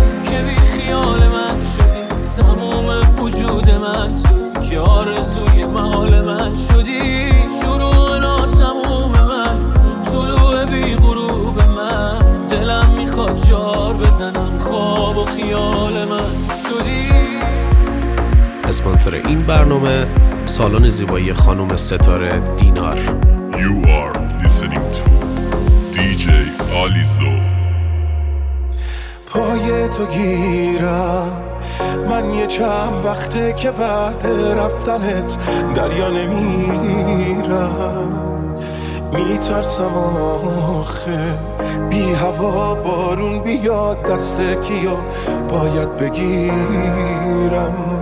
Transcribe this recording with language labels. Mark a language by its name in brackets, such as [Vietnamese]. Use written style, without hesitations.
[Persian] که بی خیال من شدی تموم وجود من توی که آرزوی محال من شدی شروع ناتموم من طلوع بی غروب من دلم میخواد جار بزنم خواب و خیال من شدی. اسپانسر این برنامه سالن زیبایی خانم ستاره دینار. [English] You are listening to DJ آلیزو. [Persian] پای تو گیرم من یه چند وقته که بعد رفتنت دریا نمیرم میترسم آخه بی هوا بارون بیاد دست کیا باید بگیرم